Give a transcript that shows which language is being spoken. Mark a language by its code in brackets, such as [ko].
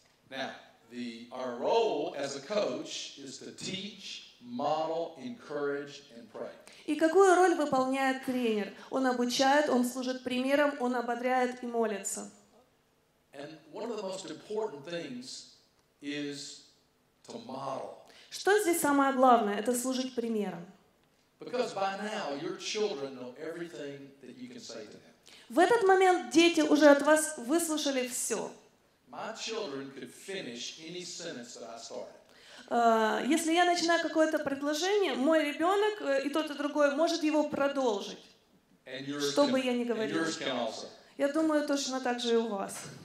[en] Now, our role as a coach is to teach, model, encourage, and pray. [ru] И какую роль выполняет тренер? Он обучает, он служит примером, он ободряет и молится. [en] And one of the most important things is to model. [ru] Что здесь самое главное? Это служить примером. [en] Because by now your children know everything that you can say to them. [ru] В этот момент дети уже от вас выслушали все. [en] My children could finish any sentence that I started. [ru] Если я начинаю какое-то предложение, мой ребенок и тот, и другой может его продолжить, что бы я ни говорил. Я думаю, точно так же и у вас.